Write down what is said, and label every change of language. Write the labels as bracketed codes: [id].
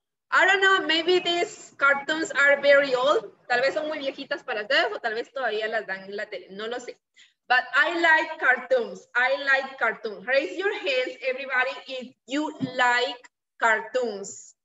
[en] I don't know, maybe these cartoons are very old. [es] Tal vez son muy viejitas para ustedes o tal vez todavía las dan en la tele, no lo sé. [en] But I like cartoons. Raise your hands, everybody, if you like cartoons.